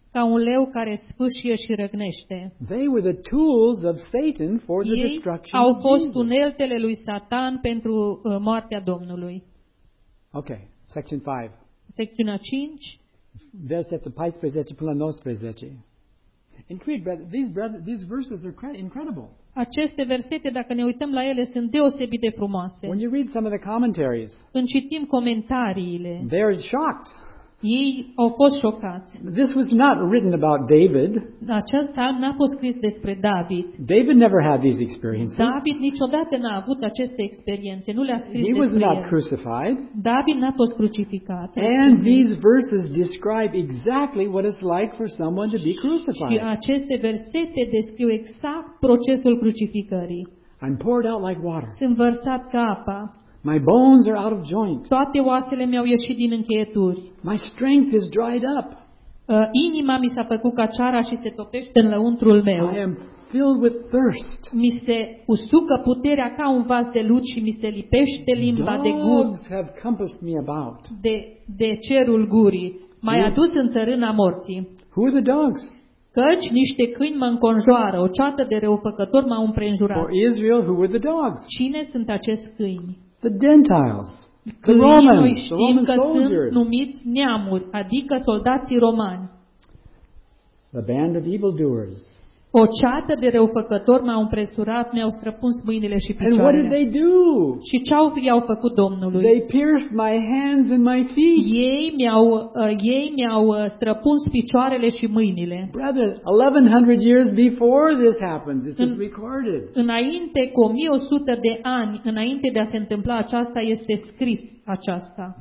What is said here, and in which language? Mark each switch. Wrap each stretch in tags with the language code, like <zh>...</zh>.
<ro>Ca un leu care sfâșie și răgnește.</ro> <en>They were the tools of Satan for the destruction.</en> <ro>Ei au fost uneltele lui Satan pentru moartea Domnului.</ro> <en>Okay, section 5.</en> <ro>Secțiunea 5. Versetul 14 până la 19.</ro> <en>These verses are incredible.</en> <ro>Aceste versete, dacă ne uităm la ele, sunt deosebit de frumoase.</ro> <en>When you read some of the commentaries,</en> <ro>când citim comentariile,</ro> <en>they're shocked.</en> <ro>Ei au fost șocați.</ro> <en>This was not written about David.</en> <ro>Acest psalm n-a fost scris despre David.</ro> <en>David never had these experiences.</en> <ro>David niciodată n-a avut aceste experiențe. Nu le-a scris</ro> <en>He</en> <ro>despre</ro> <en>was not</en> <ro>el.</ro> <en>Crucified.</en> <ro>David n-a fost crucificat.</ro> <en>And these verses describe exactly what it's like for someone to be crucified.</en> <ro>Și aceste versete descriu exact procesul crucificării.</ro> <en>I'm poured out like water.</en> <ro>Sunt vărsat ca apa.</ro> <en>My bones are out of joint.</en> <ro>Toate oasele mi-au ieșit din încheieturi.</ro> <en>My strength is dried up.</en> <ro>Inima mi s-a făcut ca ceara și se topește în lăuntrul meu.</ro> <en>I am filled with thirst.</en> <ro>Mi se usucă puterea ca un vas de lut și mi se lipește limba de gură.</ro> <en>Dogs have compassed me about.</en> <ro>De cerul gurii. M-ai adus în țărâna morții.</ro> <en>Who are the dogs?</en> <ro>Căci niște câini mă înconjoară, o ceată de răufăcători m-au împrejurat.</ro> <en>For Israel, who are the dogs?</en> <ro>Cine sunt acești câini?</ro> <en>The Gentiles, the Romans, the Roman soldiers,</en> <ro>numiți neamuri, adică soldații romani.</ro> <en>The band of evildoers.</en> <ro>O ceată de răufăcători m-au împresurat, mi-au străpuns mâinile și picioarele.</ro> <en>And what did they do?</en> <ro>Și ce i-au făcut Domnului?</ro> <en>They pierced my hands and my feet.</en> <ro>Ei mi-au străpuns picioarele și mâinile.</ro> <en>Brother, 1100 years before this happens, it is recorded.</en> <ro>Înainte cu 1100 de ani, înainte de a se întâmpla aceasta, este scris aceasta.</ro>